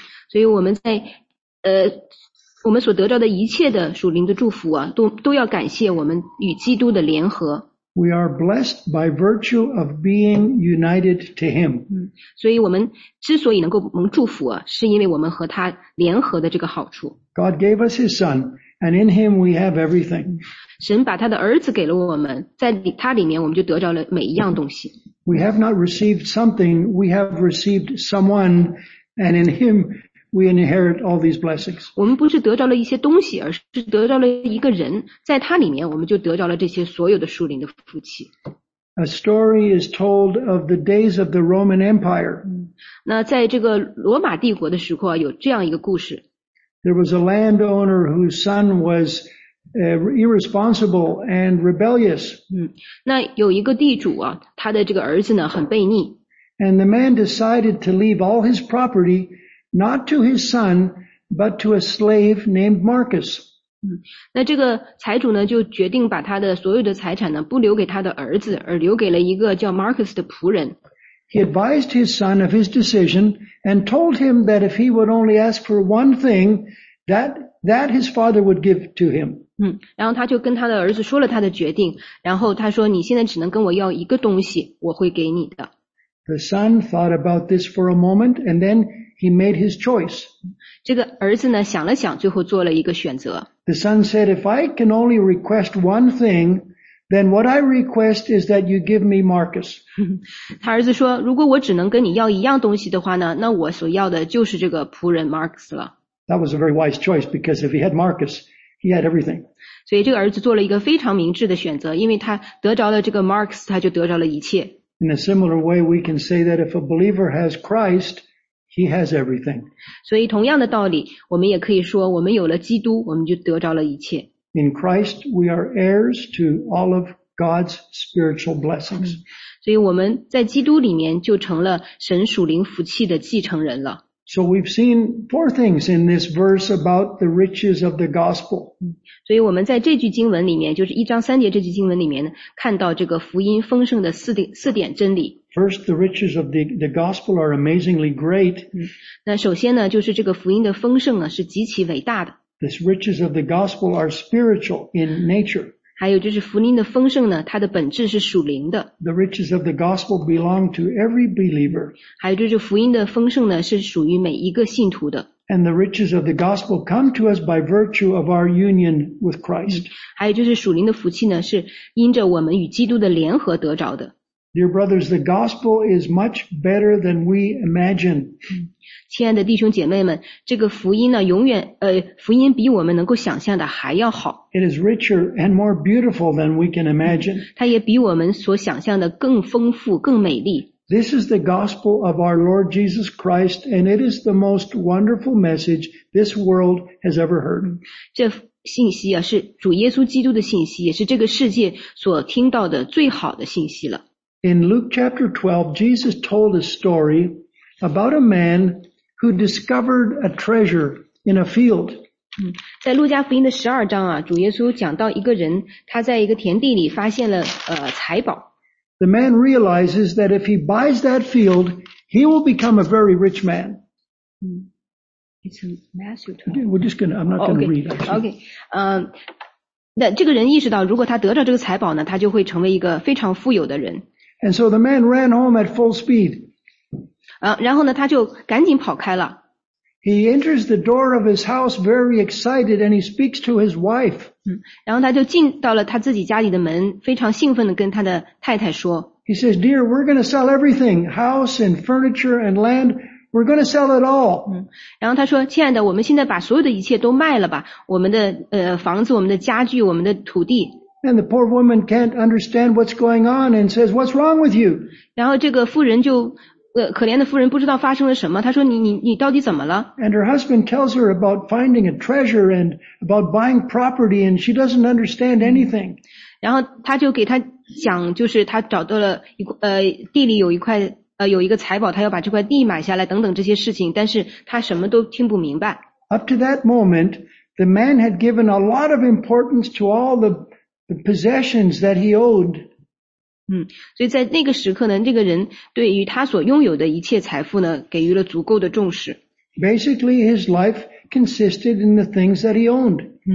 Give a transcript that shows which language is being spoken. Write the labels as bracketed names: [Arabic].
[Chinese] 所以我们在我们所得到的一切的属灵的祝福啊，都要感谢我们与基督的联合。 [English] We are blessed by virtue of being united to Him. [Chinese] 所以我们之所以能够蒙祝福啊，是因为我们和他联合的这个好处。 [English] God gave us His Son. And in him we have everything. [Chinese] 神把他的儿子给了我们，在他里面我们就得着了每一样东西。 [English] We have not received something, we have received someone, and in him we inherit all these blessings. [Chinese] 我们不是得着了一些东西，而是得着了一个人，在他里面我们就得着了这些所有的属灵的福气。 [English] A story is told of the days of the Roman Empire. [Chinese] 那在这个罗马帝国的时候，有这样一个故事。 [English] There was a landowner whose son was irresponsible and rebellious. [Chinese] 那有一个地主啊，他的这个儿子呢很悖逆。 [English] And the man decided to leave all his property not to his son, but to a slave named Marcus. [Chinese] 那这个财主呢就决定把他的所有的财产呢不留给他的儿子，而留给了一个叫 Marcus 的仆人。 [English] He advised his son of his decision and told him that if he would only ask for one thing, that his father would give to him. [Chinese] 然后他就跟他的儿子说了他的决定，然后他说，你现在只能跟我要一个东西，我会给你的。 [English] The son thought about this for a moment and then he made his choice. [Chinese] 这个儿子呢，想了想，最后做了一个选择。 [English] The son said, if I can only request one thing,Then what I request is that you give me Marcus. [Chinese] 他儿子说，如果我只能跟你要一样东西的话呢，那我所要的就是这个仆人 Marcus 了。 [English] That was a very wise choice because if he had Marcus, he had everything. [Chinese] 所以这个儿子做了一个非常明智的选择，因为他得着了这个 Marcus, 他就得着了一切。 [English] In a similar way, we can say that if a believer has Christ, he has everything. [Chinese] 所以同样的道理，我们也可以说，我们有了基督，我们就得着了一切。 [English] In Christ, we are heirs to all of God's spiritual blessings. [Chinese] 所以我们在基督里面就成了神属灵福气的继承人了。 [English] So we've seen four things in this verse about the riches of the gospel. [Chinese] 所以我们在这句经文里面，就是一章三节这句经文里面，看到这个福音丰盛的四点真理。 [English] First, the riches of the gospel are amazingly great. [Chinese] 那首先呢，就是这个福音的丰盛呢，是极其伟大的。 [English] These riches of the gospel are spiritual in nature. [Chinese] 还有就是福音的丰盛呢，它的本质是属灵的。 [English] The riches of the gospel belong to every believer. [Chinese] 还有就是福音的丰盛呢，是属于每一个信徒的。 [English] And the riches of the gospel come to us by virtue of our union with Christ. [Chinese] 还有就是属灵的福气呢，是因着我们与基督的联合得着的。 [English] Dear brothers, the gospel is much better than we imagine. [Chinese] 亲爱的弟兄姐妹们，这个福音呢，永远福音比我们能够想象的还要好。 [English] It is richer and more beautiful than we can imagine. [Chinese] 它也比我们所想象的更丰富，更美丽。 [English] This is the gospel of our Lord Jesus Christ, and it is the most wonderful message this world has ever heard. [Chinese] 这信息啊，是主耶稣基督的信息，也是这个世界所听到的最好的信息了。 [English] In Luke chapter 12, Jesus told a story about a man who discovered a treasure in a field. [Chinese] 在路加福音的十二章啊，主耶稣讲到一个人，他在一个田地里发现了财宝。 [English] The man realizes that if he buys that field, he will become a very rich man. It's Matthew 12. We're just gonna, I'm not gonna read it. Okay. [Chinese] 那这个人意识到，如果他得到这个财宝呢，他就会成为一个非常富有的人。 [English] And so the man ran home at full speed. [Chinese] 然后呢他就赶紧跑开了。 [English] He enters the door of his house very excited and he speaks to his wife. [Chinese] 然后他就进到了他自己家里的门，非常兴奋地跟他的太太说。 [English] He says, dear, we're going to sell everything, house and furniture and land, we're going to sell it all. [Chinese] 然后他说，亲爱的，我们现在把所有的一切都卖了吧，我们的房子，我们的家具，我们的土地。 [English] And the poor woman can't understand what's going on and says, what's wrong with you? [Chinese] 然后这个妇人就可怜的妇人不知道发生了什么，她说你到底怎么了？ [English] And her husband tells her about finding a treasure and about buying property and she doesn't understand anything. [Chinese] 然后她就给她讲，就是她找到了一地里有一块有一个财宝，她要把这块地买下来等等这些事情，但是她什么都听不明白。 [English] Up to that moment, the man had given a lot of importance to all the possessions that he owed. [Chinese] 所以在那个时刻呢，这个人对于他所拥有的一切财富呢，给予了足够的重视。 [English] Basically, his life consisted in the things that he owned.